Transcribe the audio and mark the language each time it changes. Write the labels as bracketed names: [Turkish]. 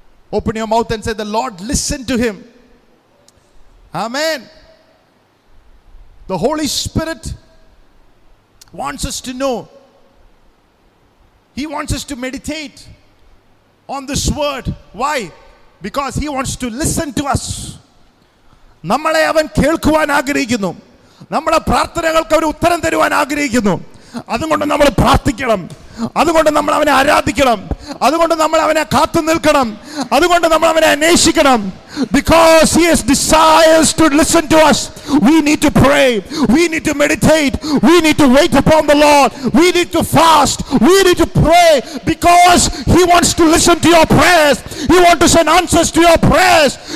[English] Open your mouth and say, the Lord, listen to him. Amen. The Holy Spirit wants us to know. He wants us to meditate on this word. Why? Because he wants to listen to us. [Malayalam] Nammale avan kelkkuvan aagrahikkunnu. നമ്മുടെ പ്രാർത്ഥനകൾക്ക് അവർ ഉത്തരം തരുവാൻ ആഗ്രഹിക്കുന്നു. അതുകൊണ്ട് നമ്മൾ പ്രാർത്ഥിക്കണം. അതുകൊണ്ട് നമ്മൾ അവനെ ആരാധിക്കണം. അതുകൊണ്ട് നമ്മൾ അവനെ കാത്തു നിൽക്കണം. അതുകൊണ്ട് നമ്മൾ അവനെ അന്വേഷിക്കണം. [English] Because he has desires to listen to us, we need to pray, we need to meditate, we need to wait upon the Lord, we need to fast, we need to pray, because he wants to listen to your prayers, he wants to send answers to your prayers.